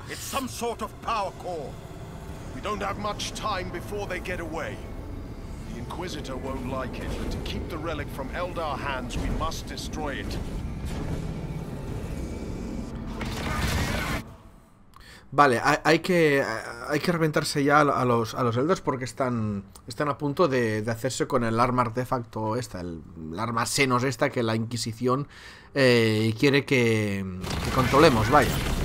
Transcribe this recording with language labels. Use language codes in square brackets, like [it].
[es] Es algún tipo de power core. [en] We don't have much time before they get away. The Inquisitor won't like it, but to keep the relic from Eldar hands, we must destroy it. [es] Vale, hay que reventarse ya a los Eldars porque están a punto de hacerse con el arma artefacto esta, el arma Xenos esta que la Inquisición quiere que controlemos, vaya.